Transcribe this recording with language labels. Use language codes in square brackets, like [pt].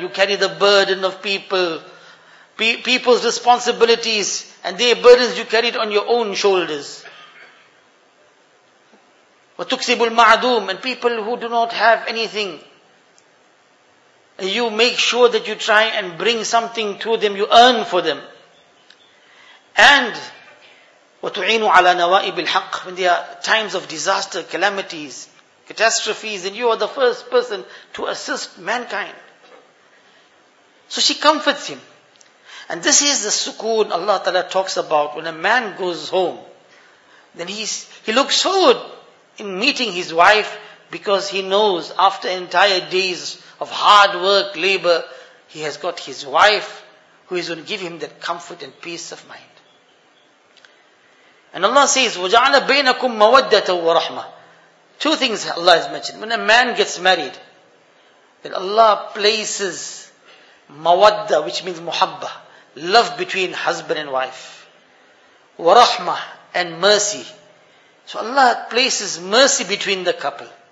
[en] You carry the burden of people. People's responsibilities and their burdens you carry it on your own shoulders. [ar] وَتُكْسِبُ الْمَعْدُومِ. [en] And people who do not have anything. And you make sure that you try and bring something to them. You earn for them. And [ar] وَتُعِينُ عَلَى نَوَائِبِ الْحَقِّ. [en] When there are times of disaster, calamities, catastrophes, and you are the first person to assist mankind. So she comforts him. And this is the sukoon Allah Ta'ala talks about. When a man goes home, then he looks forward in meeting his wife because he knows after entire days of hard work, labor, he has got his wife who is going to give him that comfort and peace of mind. And Allah says, [ar] وَجَعَلَ بَيْنَكُمْ مَوَدَّةً وَرَحْمَةً. [en] 2 things Allah has mentioned. When a man gets married, then Allah places mawadda, which means muhabba, love between husband and wife. Wa rahma, and mercy. So Allah places mercy between the couple.